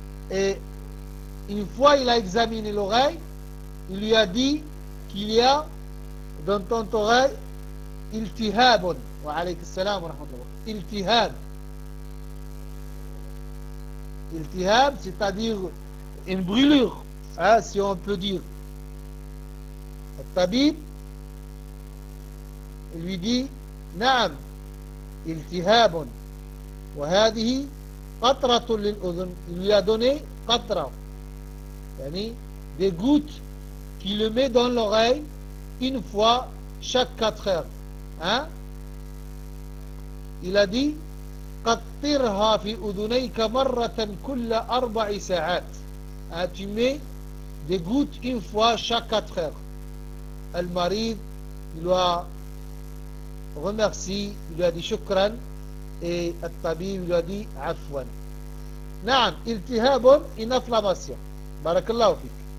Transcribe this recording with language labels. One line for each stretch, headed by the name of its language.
French: Et une fois il a examiné l'oreille, il lui a dit qu'il y a dans ton oreille iltihab.
Arabic: Wa alaykum salam wa rahmatullah. Iltihab.
French: Iltihab, c'est-à-dire une brûlure. Si on peut dire. Le tabib lui dit
Arabic: نعم التهاب وهذه قطرة للأذن.
French: Il lui a donné
Arabic: قطرة يعني
French: des gouttes qui le met dans l'oreille une fois chaque 4 heures. Il a dit
Arabic: قطرها في أذنيك مرة كل 4 ساعات.
French: Tu mets des gouttes une fois chaque 4 heures. Al marid lui a remercié, il lui a dit shukran, et al tabib lui a dit afwan. Naam, iltihab, une inflammation.
Arabic: Barakallahu fik.